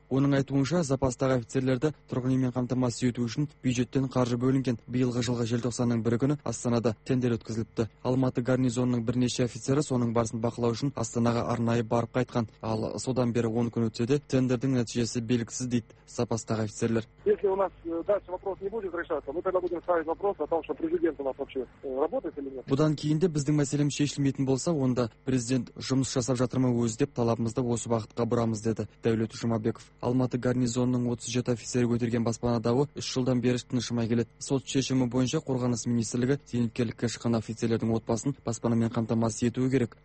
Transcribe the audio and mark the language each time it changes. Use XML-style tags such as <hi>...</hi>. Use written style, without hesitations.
<kk>Оның айтуынша, запастағы офицерлерді тұрғын үймен қамтамасыз ету үшін бюджеттен қаржы бөлінген. Биылғы жылғы желтоқсанның бірі күні Астанада тендер өткізіліпті. Алматы гарнизонының бірнеше офицері соның барысын бақылау үшін Астанаға арнайы барып қайтқан. Ал содан бері 10 күн өтсе де тендердің нәтижесі белгісіз дейді запастағы офицерлер.</kk> <ru>Если у нас дальше вопрос не будет решаться, мы тогда будем ставить вопрос о том, что президент у нас вообще работает или нет.</ru> <kk>Бұдан кейін де біздің мәселеміз шешілмейтін болса, онда президент жұмыс жасап жатыр ма өзі деп талабымызды осы бағытқа бұрамыз деді Дәулет Жұмабеков. Алматы гарнизонының 37 офицері көтерген баспана дауы 3 жылдан бері тынышымай келеді. Сот шешімі бойынша қорғаныс министрлігі зейнеткерлікке шыққан офицерлердің отбасын баспанамен қамтамасыз етуі керек.</kk>